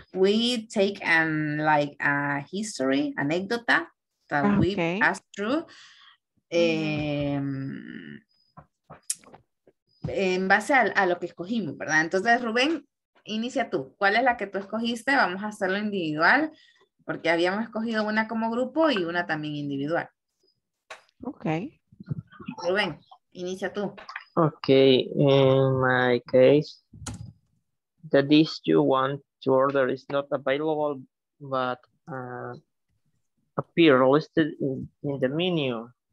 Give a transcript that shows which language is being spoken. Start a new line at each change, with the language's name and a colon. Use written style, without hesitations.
English: We take like a history anecdota that okay. We pass through
Spanish: en base a lo que escogimos, ¿verdad? Entonces, Rubén, inicia tú. ¿Cuál es la que tú escogiste? Vamos a hacerlo individual porque habíamos escogido una como grupo y una también individual.
English: Okay.
Spanish: Rubén, inicia tú.
English: Okay, in my case, the dish you want to order is not available, but appear listed in the menu.